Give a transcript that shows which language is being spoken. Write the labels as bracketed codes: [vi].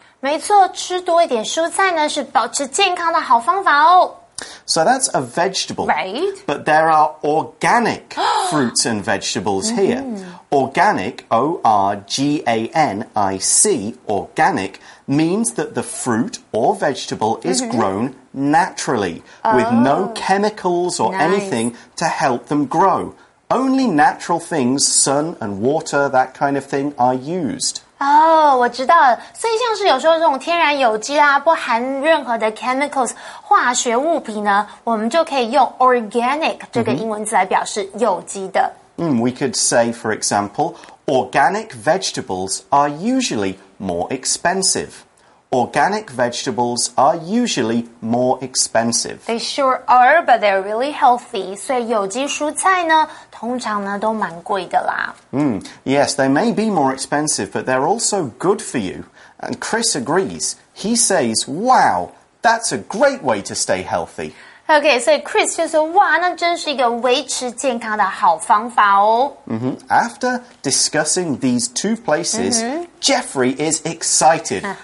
[zh] 没错，吃多一点蔬菜呢，是保持健康的好方法哦。 [en] So that's a vegetable. Right. But there are organic fruits and vegetables here. Organic, O-R-G-A-N-I-C, organic, means that the fruit or vegetable is grown naturally, with no chemicals or anything to help them grow.Only natural things, sun and water, that kind of thing, are used. [zh] 我知道了。所以像是有时候这种天然有机啦，不含任何的 chemicals 化学物品呢，我们就可以用 organic 这个英文字来表示有机的。 [en] We could say, for example, organic vegetables are usually more expensive. Organic vegetables are usually more expensive. They sure are, but they're really healthy. [zh] 所以有机蔬菜呢，通常呢都蛮贵的啦。 [en] Yes, they may be more expensive, but they're also good for you. And Chris agrees. He says, wow, that's a great way to stay healthy. [zh] Okay, 所以 Chris 就说哇那真是一个维持健康的好方法哦。 [en] After discussing these two places, Jeffrey is excited.